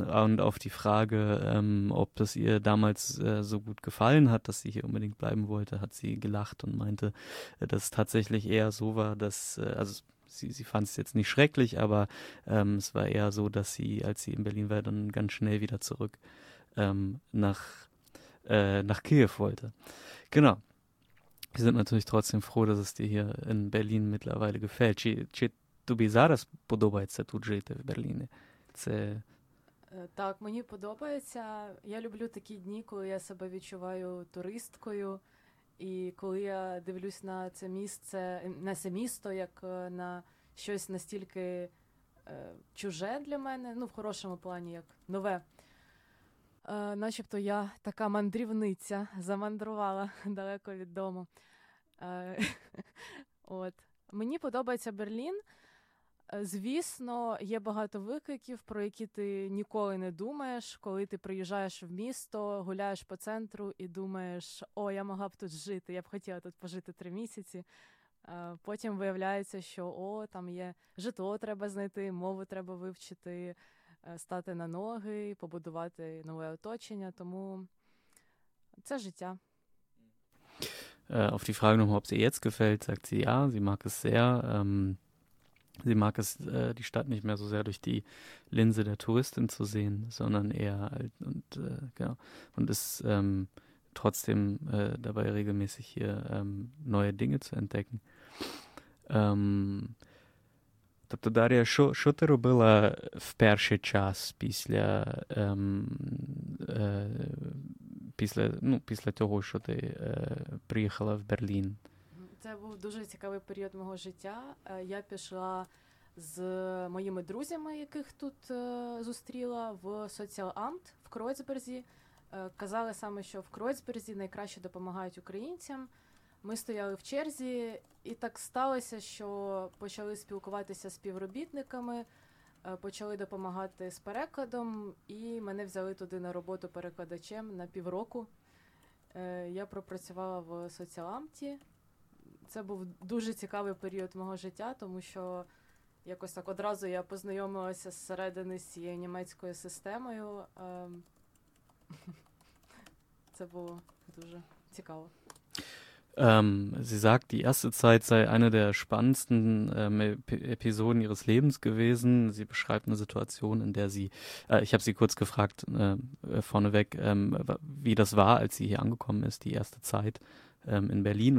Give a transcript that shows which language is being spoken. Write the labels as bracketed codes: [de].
[de] Und auf die Frage, ob es ihr damals so gut gefallen hat, dass sie hier unbedingt bleiben wollte, hat sie gelacht und meinte, dass es tatsächlich eher so war, dass Sie fand es jetzt nicht schrecklich, aber es war eher so, dass sie, als sie in Berlin war, dann ganz schnell wieder zurück nach Kiew wollte. Genau. Wir sind natürlich trotzdem froh, dass es dir hier in Berlin mittlerweile gefällt. [uk] Чи тобі зараз подобається тут жити в Берліні? Це... Так, мені подобається. Я люблю такі дні, коли я себе відчуваю туристкою. І коли я дивлюсь на це місце, на це місто, як на щось настільки чуже для мене, ну, в хорошому плані, як нове, начебто я така мандрівниця, замандрувала далеко від дому. От. Мені подобається Берлін. Звісно, є багато викликів, про які ти ніколи не думаєш, коли ти приїжджаєш в місто, гуляєш по центру і думаєш, о, я могла б тут жити, я б хотіла тут пожити 3 місяці. Потім виявляється, що, о, там є житло треба знайти, мову треба вивчити, стати на ноги, побудувати нове оточення, тому це життя. [de] Auf die Frage nochmal, ob sie jetzt gefällt, sagt sie ja, sie mag es sehr. Sie mag es, die Stadt nicht mehr so sehr durch die Linse der Touristin zu sehen, sondern eher alt und genau. Und ist trotzdem dabei, regelmäßig hier neue Dinge zu entdecken. [uk] Тобто, Дар'я, що ти робила в перший час після того, що ти приїхала в Берлін? Це був дуже цікавий період мого життя. Я пішла з моїми друзями, яких тут зустріла, в соціал-амт в Кройцберзі. Казали саме, що в Кройцберзі найкраще допомагають українцям. Ми стояли в черзі, і так сталося, що почали спілкуватися з співробітниками, почали допомагати з перекладом, і мене взяли туди на роботу перекладачем на півроку. Я пропрацювала в соціал-амті. Це був дуже цікавий період мого життя, тому що якось так одразу я познайомилася зсередини з цією німецькою системою. Це було дуже цікаво. [de] Sie sagt, die erste Zeit sei eine der spannendsten Episoden ihres Lebens gewesen. Sie beschreibt eine Situation, in der sie, ich habe sie kurz gefragt vorneweg, wie das war, als sie hier angekommen ist, die erste Zeit in Berlin.